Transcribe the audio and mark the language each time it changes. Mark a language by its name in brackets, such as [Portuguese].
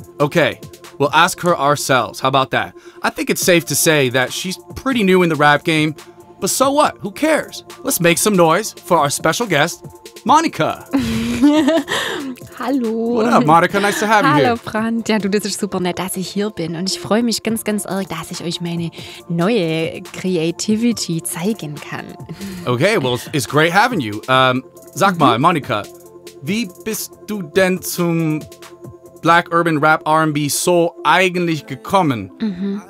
[English] Okay, we'll ask her ourselves. How about that? I think it's safe to say that she's pretty new in the rap game, but so what? Who cares? Let's make some noise for our special guest, Monika. [German] Hallo. [English] What up, Monika? Nice to have you here. [German] Hallo, Franz. Ja, du, das ist super nett, dass ich hier bin. Und ich freue mich ganz, ganz arg, dass ich euch meine neue Creativity zeigen kann. [English] Okay, well, it's great having you. [German] Sag mal, Monika, wie bist du denn zum Black Urban Rap R&B so eigentlich gekommen?